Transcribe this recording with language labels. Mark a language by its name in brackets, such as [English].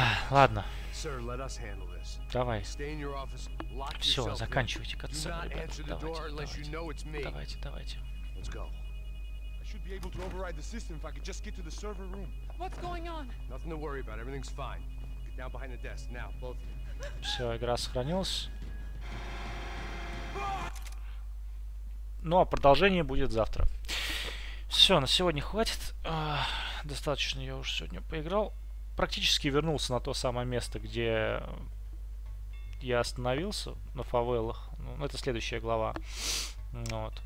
[Russian] Ладно. Давай. Все, заканчивайте катсцену, ребята. Давайте. [English] Be able to override the system if I could just get to the server room. What's going on? Nothing to worry about. Everything's fine. Get down behind the desk now, both of you. [Russian] Все, игра сохранилась. Ну а продолжение будет завтра. Все, на сегодня хватит. Достаточно, я уже сегодня поиграл. Практически вернулся на то самое место, где я остановился на фавелах. Ну, это следующая глава. Вот.